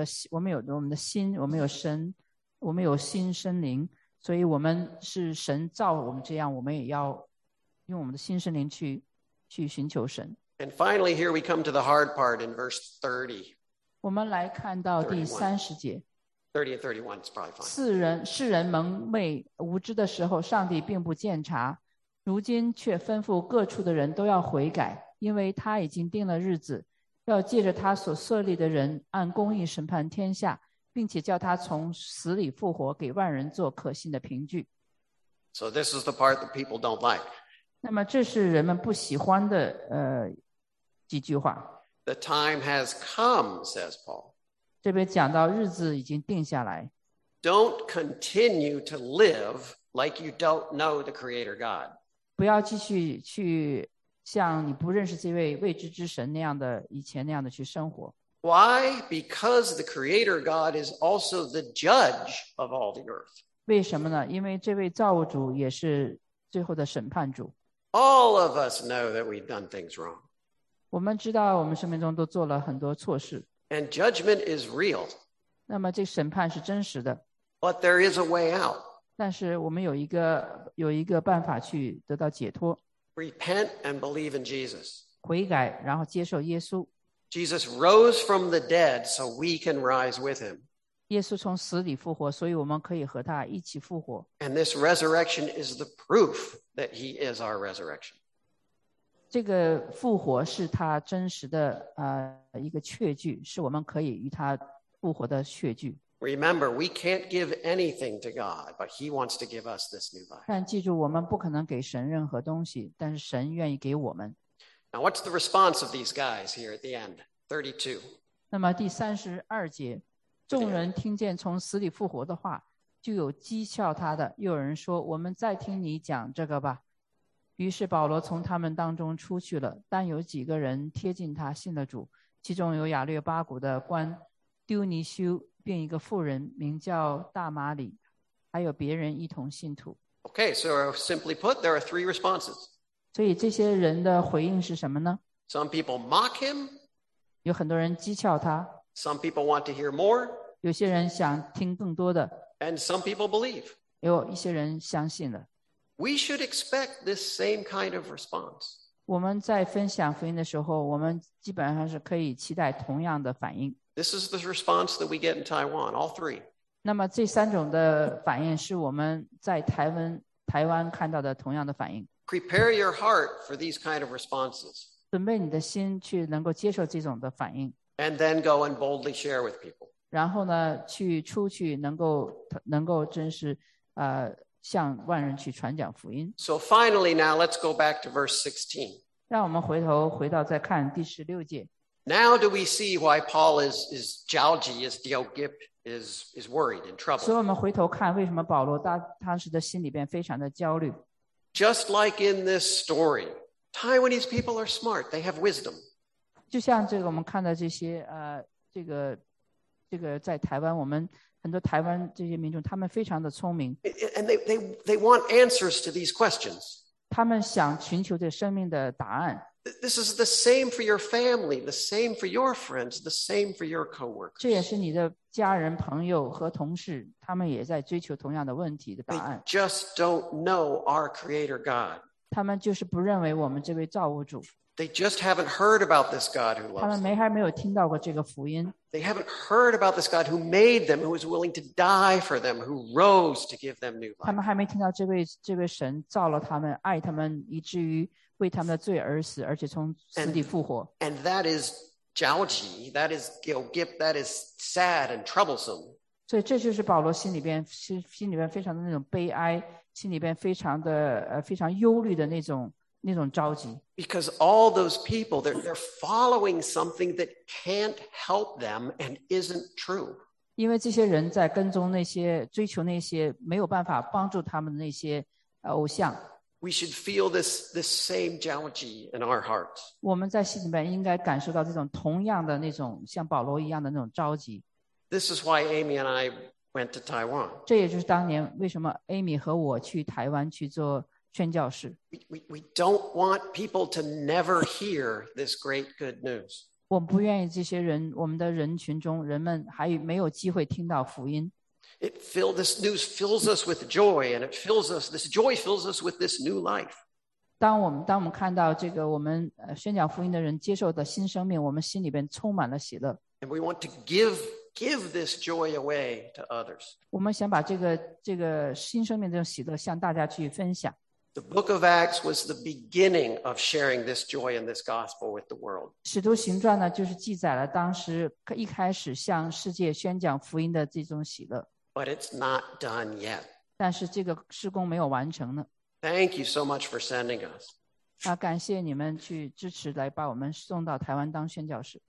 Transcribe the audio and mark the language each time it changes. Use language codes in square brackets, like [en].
[zh] 我们有我们的心，我们有神，我们有心身灵，所以我们是神造我们这样，我们也要用我们的心身灵去寻求神。 [en] And finally, here we come to the hard part in verse 30. [zh] 我们来看到第三十节。 [en] 30 and 31 is probably fine. [zh] 世人蒙昧无知的时候，上帝并不鉴察，如今却吩咐各处的人都要悔改，因为他已经定了日子，要借着他所设立的人按公义审判天下，并且叫他从死里复活，给万人做可信的凭据。 [en] So this is the part that people don't like. [zh] 那么这是人们不喜欢的几句话。 [en] The time has come, says Paul. [zh] 这边讲到日子已经定下来。 [en] Don't continue to live like you don't know the Creator God. [zh] 不要继续去像你不认识这位未知之神那样的以前那样的去生活。 [en] Why? Because the Creator God is also the judge of all the earth. [zh] 为什么呢？因为这位造物主也是最后的审判主。 [en] All of us know that we've done things wrong. [zh] 我们知道我们生命中都做了很多错事。 [en] And judgment is real. [zh] 那么这审判是真实的。 [en] But there is a way out. [zh] 但是我们有一个办法去得到解脱。 [en] Repent and believe in Jesus. [zh] 悔改，然后接受耶稣。 [en] Jesus rose from the dead so we can rise with him. [zh] 耶稣从死里复活，所以我们可以和他一起复活。 [en] And this resurrection is the proof that he is our resurrection. [zh] 这个复活是他真实的一个确据，是我们可以与他复活的血据。 [en] Remember, we can't give anything to God, but He wants to give us this new life. [zh] 但记住，我们不可能给神任何东西，但是神愿意给我们。 [en] Now, what's the response of these guys here at the end? 32. [zh] 那么第三十二节，众人听见从死里复活的话，就有讥笑他的，又有人说：“我们再听你讲这个吧。” 于是保罗从他们当中出去了，但有几个人贴近他信了主，其中有亚略巴谷的官丢尼修，并一个妇人名叫大马里，还有别人一同信徒。 [en] Okay, so simply put, there are three responses. [zh] 所以这些人的回应是什么呢？ [en] Some people mock him. [zh] 有很多人讥诮他。 [en] Some people want to hear more. [zh] 有些人想听更多的。 [en] And some people believe. [zh] 有一些人相信了。 [en] We should expect this same kind of response. [zh] 我们在分享福音的时候，我们基本上是可以期待同样的反应。 [en] This is the response that we get in Taiwan, all three. [zh] 那么这三种的反应是我们在台湾看到的同样的反应。 [en] Prepare your heart for these kind of responses. [zh] 准备你的心去能够接受这种的反应。 [en] And then go and boldly share with people. [zh] 然后呢，去出去能够真实向万人去传讲福音。 [en] So finally, now let's go back to verse 16. [zh] 让我们回到再看第十六节。 [en] Now do we see why Paul is jalgy, is diogip, is worried and troubled? [zh] 所以我们回头看，为什么保罗当时的心里边非常的焦虑 [en] ？Just like in this story, Taiwanese people are smart; they have wisdom. [zh] 就像这个我们看到这些这个在台湾我们。很多台湾这些民众，他们非常的聪明。 [en] And they want answers to these questions. [zh] 他们想寻求这生命的答案。 [en] This is the same for your family, the same for your friends, the same for your coworkers. [zh] 这也是你的家人、朋友和同事，他们也在追求同样的问题的答案。 [en] They just don't know our Creator God. [zh] 他们就是不认为我们这位造物主。 [en] They just haven't heard about this God who loves them. [zh] 他们还没有听到过这个福音。 [en] They haven't heard about this God who made them, who was willing to die for them, who rose to give them new life. [zh] 他们还没听到这位神造了他们，爱他们，以至于为他们的罪而死，而且从死里复活。 [en] And that is jalgy, that is guilt, that is sad and troublesome. [zh] 所以这就是保罗心里边非常的那种悲哀，心里边非常的非常忧虑的那种着急。 [en] Because all those people, they're following something that can't help them and isn't true. [zh] 因为这些人在跟踪那些追求那些没有办法帮助他们的那些偶像。 [en] We should feel this same jealousy in our hearts. [zh] 我们在心里面应该感受到这种同样的那种像保罗一样的那种着急。 [en] This is why Amy and I went to Taiwan. [zh] 这也就是当年为什么 Amy 和我去台湾去做。 [en] We don't want people to never hear this great good news. [zh] 我们不愿意这些人，我们的人群中，人们还没有机会听到福音。 [en] This news fills us with joy, and it fills us. This joy fills us with this new life. [zh] 当我们看到这个我们宣讲福音的人接受的新生命，我们心里边充满了喜乐。 [en] And we want to give this joy away to others. [zh] 我们想把这个新生命这种喜乐向大家去分享。 [en] The book of Acts was the beginning of sharing this joy and this gospel with the world. [zh] 使徒行传呢，就是记载了当时一开始向世界宣讲福音的这种喜乐。 [en] But it's not done yet. [zh] 但是这个事工没有完成呢。 [en] Thank you so much for sending us. [zh] 啊，感谢你们去支持来把我们送到台湾当宣教士。